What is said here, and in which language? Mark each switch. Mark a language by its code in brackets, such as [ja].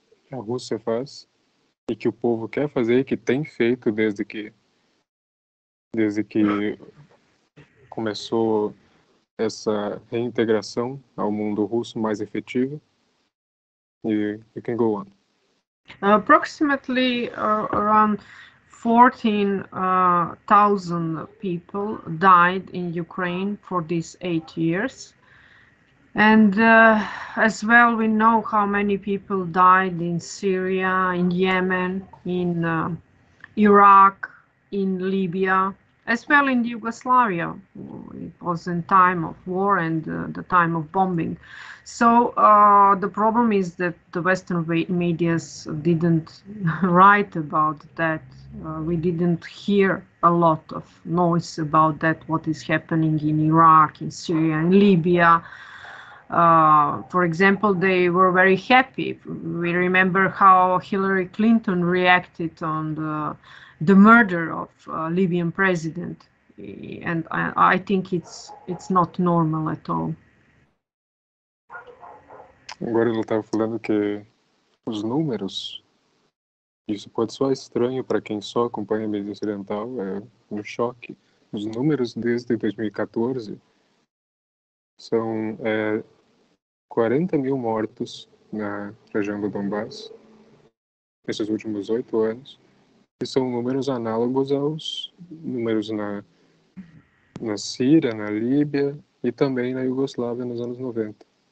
[pt] a Rússia faz e que o povo quer fazer e que tem feito desde que começou essa reintegração ao mundo russo mais efetivo. [en] E you can go on. Approximately around 14,000 people died in Ukraine for these 8 years. And as well, we know how many people died in Syria, in Yemen, in Iraq, in Libya, as well in Yugoslavia. It was in time of war and the time of bombing. So the problem is that the Western medias didn't write about that. We didn't hear a lot of noise about that, what is happening in Iraq, in Syria, in Libya. For example, they were very happy. We remember how Hillary Clinton reacted on the murder of Libyan president, and I think it's not normal at all. [pt] Agora ele estava falando que os números, isso pode soar estranho para quem só acompanha a mídia ocidental, é um choque. Os números desde 2014 são 40 mil mortos na região do Donbass nesses últimos 8 anos, que são números análogos aos números na Síria, na Líbia e também na Iugoslávia nos anos 90.